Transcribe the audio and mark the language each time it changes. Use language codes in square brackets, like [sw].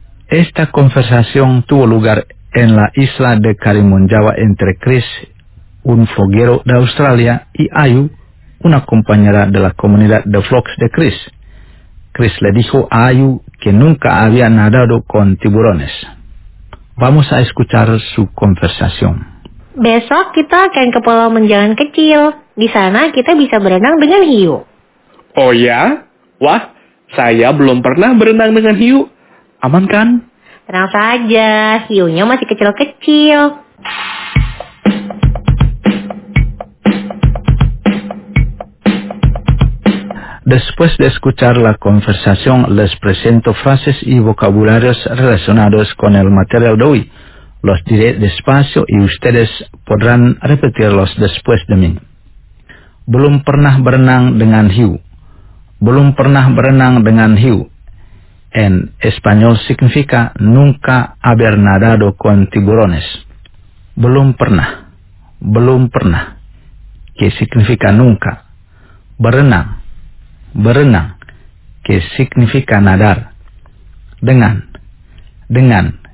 [es] Esta conversación tuvo lugar en la isla de Karimun Jawa entre Chris, un foguero de Australia, y Ayu, una compañera de la comunidad de flocks de Chris. Chris le dijo a Ayu que nunca había nadado con tiburones. Vamos a escuchar su conversación. [id] Besok kita akan ke Pulau Menjangan Kecil. Di sana kita bisa berenang dengan hiu. Oh ya? Wah, saya belum pernah berenang dengan hiu. Aman kan? Tenang saja, hiunya masih kecil-kecil. [es] Después de escuchar la conversación, les presento frases y vocabularios relacionados con el material de hoy. Los diré despacio y ustedes podrán repetirlos después de mí. [id] Belum pernah berenang dengan hiu. Belum pernah berenang dengan hiu. [es] En español significa nunca haber nadado con tiburones. [id] Belum pernah. Belum pernah. [es] Que significa nunca. [id] Berenang. Berenang. [es] Que significa nadar. [id] Dengan. Dengan.